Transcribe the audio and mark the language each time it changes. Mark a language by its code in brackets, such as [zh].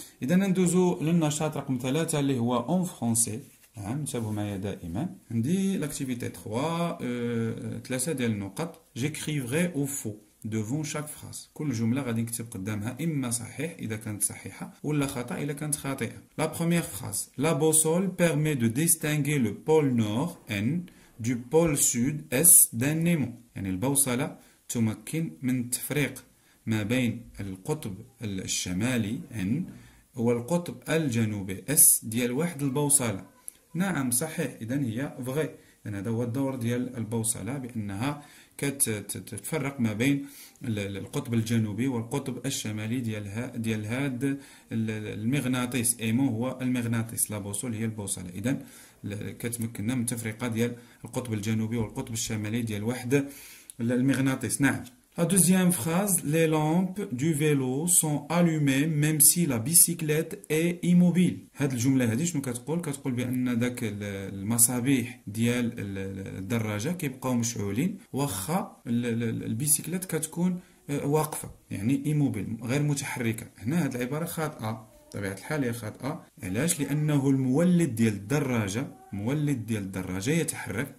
[ar] إذا ندوزو للنشاط رقم 3 اللي هو اون فرونسي، نعم، انتبهوا معايا دائما. عندي لاكتيفيتي 3 ديال النقط: جيكريفغي او فو دوفون شاك فراس، كل جملة غادي نكتب قدامها إما صحيح إذا كانت صحيحة، ولا خطأ إذا كانت خاطئة. [fr] La première phrase: La boussole permet de distinguer le pôle nord N du pôle sud S d'un Nemo. [ar] يعني البوصلة تمكن من تفريق ما بين القطب الشمالي N والقطب الجنوبي S ديال واحد البوصلة. نعم صحيح، إذا هي فغي، إذا هذا هو الدور ديال البوصلة، بأنها كتفرق ما بين القطب الجنوبي والقطب الشمالي ديالها، ديال هاد المغناطيس. ايمو هو المغناطيس، لا بوصول هي البوصلة. إذا كتمكننا من تفرقة ديال القطب الجنوبي والقطب الشمالي ديال واحد المغناطيس، نعم. [fr] La deuxième phrase: Les lampes du vélo sont allumées même si la bicyclette est immobile. [ar] هاد الجملة هادي شنو كتقول؟ كتقول بأن داك المصابيح ديال الدراجة كيبقاو مشعولين واخا البيسيكلات كتكون واقفة، يعني ايموبيل، غير متحركة. هنا هاد العبارة خاطئة، طبيعة الحال هي خاطئة. علاش؟ لأنه المولد ديال الدراجة، مولد ديال الدراجة يتحرك.